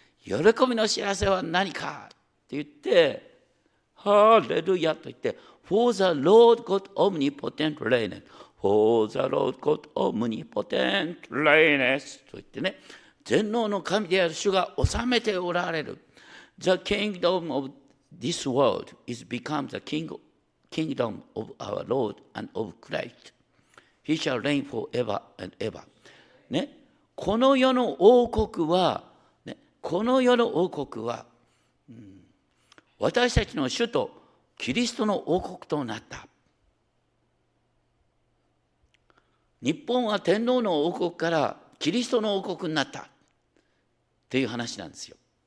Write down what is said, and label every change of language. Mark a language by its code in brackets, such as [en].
[ja] 喜びの知らせは何かと言って、ハレルヤと言って、 [en] For the Lord God Omnipotent Reigneth, [ja] For the Lord God Omnipotent Reigneth と言ってね、全能の神である主が治めておられる。 [en] The kingdom of this world is become the kingdom of our Lord and of Christ. He shall reign forever and ever. [ja] ね、この世の王国は、ね、この世の王国は、私たちの主とキリストの王国となった。日本は天皇の王国からキリストの王国になったっていう話なんですよ。